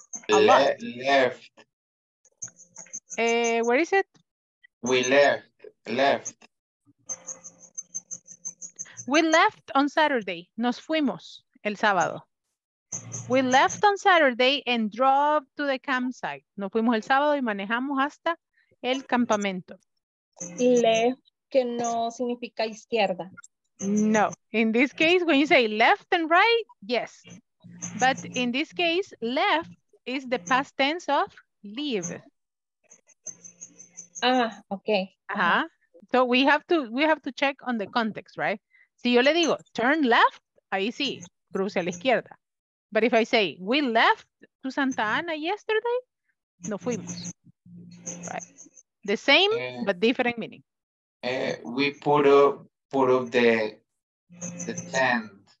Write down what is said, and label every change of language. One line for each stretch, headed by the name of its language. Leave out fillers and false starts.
English: A lot. Left. Where is it? We left. Left. We left on Saturday.
Spanish: Nos fuimos el sábado.
English: We left on Saturday and drove to the campsite.
Spanish: Nos fuimos el sábado y manejamos hasta el campamento. Left, que no significa izquierda. No.
English: In this case, when you say left and right, yes. But in this case, left is the past tense of leave. Ah, okay. Uh-huh. Uh-huh. So we have to check on the context, right?
Spanish: Si yo le digo,
English: turn left,
Spanish: ahí sí, cruce a la izquierda.
English: But if I say, we left to Santa Ana yesterday,
Spanish: no fuimos.
English: Right. The same, but different meaning. We put up the tent.